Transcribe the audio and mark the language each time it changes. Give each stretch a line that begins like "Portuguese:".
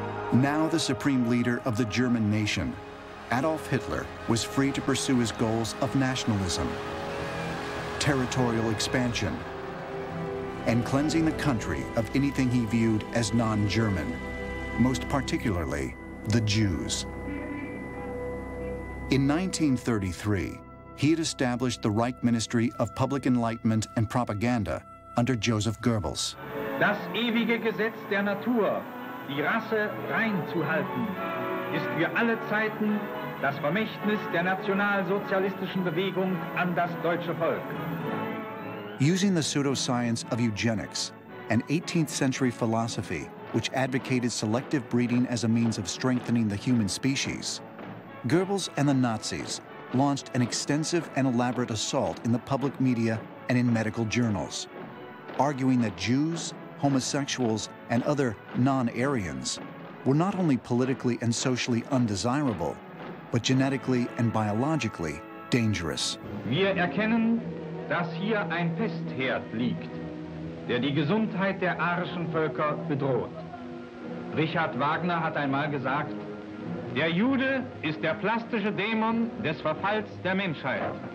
English: Now the supreme leader of the German nation, Adolf Hitler was free to pursue his goals of nationalism, territorial expansion, and cleansing the country of anything he viewed as non-German. Most particularly, the Jews. In 1933, he had established the Reich Ministry of Public Enlightenment and Propaganda under Joseph Goebbels.
German: Das ewige Gesetz der Natur, die Rasse rein zu halten, ist für alle Zeiten das Vermächtnis der nationalsozialistischen Bewegung an das deutsche Volk.
English: Using the pseudoscience of eugenics, an 18th century philosophy which advocated selective breeding as a means of strengthening the human species, Goebbels and the Nazis launched an extensive and elaborate assault in the public media and in medical journals, arguing that Jews, homosexuals, and other non-Aryans were not only politically and socially undesirable, but genetically and biologically dangerous.
German: Wir erkennen, dass hier ein Pestherd liegt, der die Gesundheit der arischen Völker bedroht. Richard Wagner hat einmal gesagt, der Jude ist der plastische Dämon des Verfalls der Menschheit.